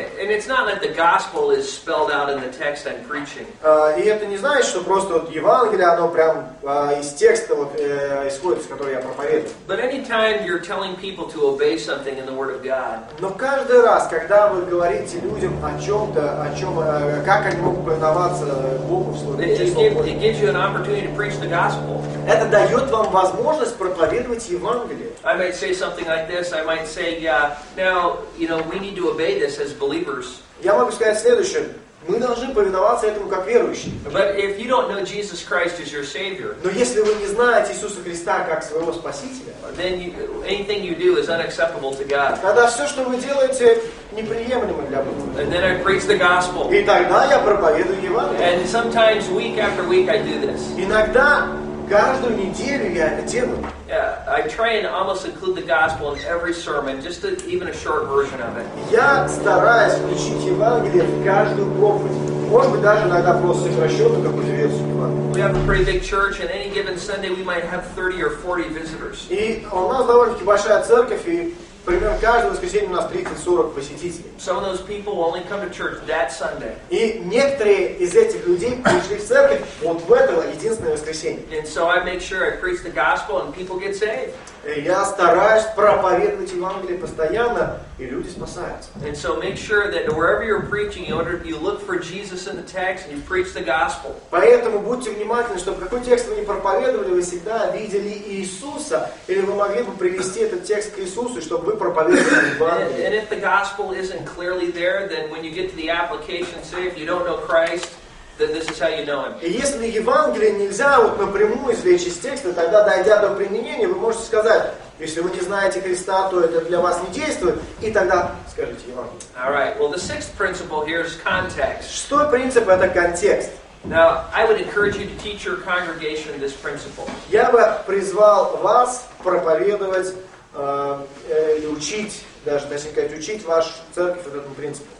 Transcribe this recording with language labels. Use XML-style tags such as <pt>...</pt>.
<en>And it's not like the gospel is spelled out in the text I'm preaching.</en> <ru>И это не значит, что просто вот Евангелие, оно прям из текста вот исходит, с которого я проповедую.</ru> <en>But anytime you're telling people to obey something in the Word of God.</en> <ru>Но каждый раз, когда вы говорите людям о чем-то, о чем, как они могут повиноваться Богу в Слове,</ru> <en>it gives you an opportunity to preach the gospel.</en> <ru>Это дает вам возможность проповедовать Евангелие.</ru> <en>I might say something like this. I might say, yeah, now, you know, we need to obey this as believers.</en> <ru>Я могу сказать следующее. Мы должны повиноваться этому как верующие.</ru> <en>But if you don't know Jesus Christ as your Savior,</en> <ru>но если вы не знаете Иисуса Христа как своего Спасителя,</ru> <en>then anything you do is unacceptable to God.</en> <ru>Тогда все, что вы делаете, неприемлемо для Бога.</ru> <en>And then I preach the gospel.</en> <ru>И тогда я проповедую Евангелие.</ru> <en>And sometimes week after week I do this.</en> <ru>Иногда каждую неделю я это делаю.</ru> <en>Yeah, I try and almost include the gospel in every sermon, just even a short version of it.</en> <ru>Я стараюсь включить Евангелие в каждую проповедь. Может быть, даже иногда просто сокращенно какую-то версию Евангелия.</ru> <en>We have a pretty big church, and any given Sunday we might have 30 or 40 visitors.</en> <ru>И у нас довольно-таки большая церковь, и примерно каждое воскресенье у нас 30-40 посетителей.</ru> <en>Some of those people will only come to church that Sunday.</en> <ru>И некоторые из этих людей пришли в церковь вот в это единственное воскресенье.</ru> <en>And so I make sure I preach the gospel and people get saved.</en> <ru>И я стараюсь проповедовать Евангелие постоянно, и люди спасаются.</ru> <en>And so make sure that wherever you're preaching, you look for Jesus in the text and you preach the gospel.</en> <ru>Поэтому будьте внимательны, чтобы какой текст вы не проповедовали, вы всегда видели Иисуса, или вы могли бы привести этот текст к Иисусу, чтобы вы проповедовали Евангелие.</ru> <en>And if the gospel isn't clearly there, then when you get to the application, say, if you don't know Christ, then this is how you know Him.</en> <ru>И если Евангелие нельзя вот напрямую извлечь из текста, тогда, дойдя до применения, вы можете сказать, если вы не знаете Христа, то это для вас не действует, и тогда скажите Евангелие.</ru> <en>All right. Well, the sixth principle here is context.</en> <ru>Шестой принцип — это контекст.</ru> <en>Now, I would encourage you to teach your congregation this principle.</en> <ru>Я бы призвал вас проповедовать и учить, даже, точнее сказать, учить вашу церковь вот этому принципу.</ru>